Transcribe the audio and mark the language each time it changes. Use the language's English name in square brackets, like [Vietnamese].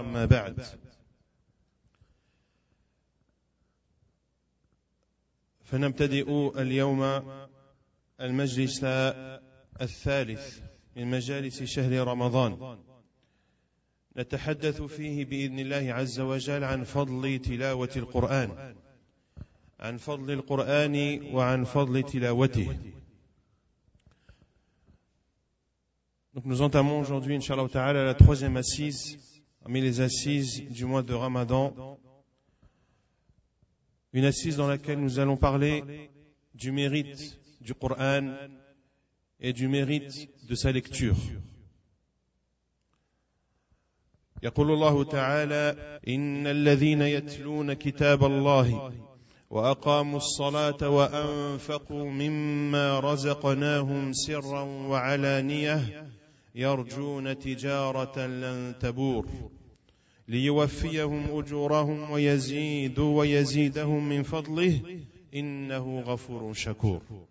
[Arabic] أما بعد، فنبتدئ اليوم المجلس الثالث من مجالس شهر رمضان، نتحدث فيه بإذن الله عز وجل عن فضل تلاوة القرآن، عن فضل القرآن وعن فضل تلاوته. [French] Donc nous entamons aujourd'hui, inshallah ta'ala, la troisième assise parmi les assises du mois de Ramadan. Une assise dans laquelle nous allons parler du mérite du Coran et du mérite de sa lecture. [Arabic] يقول الله تعالى إن الذين يتلون كتاب الله وأقاموا الصلاة وأنفقوا مما رزقناهم سرا وعلانية يرجون تجارة لن تبور ليوفيهم أجورهم ويزيدهم من فضله إنه غفور شكور.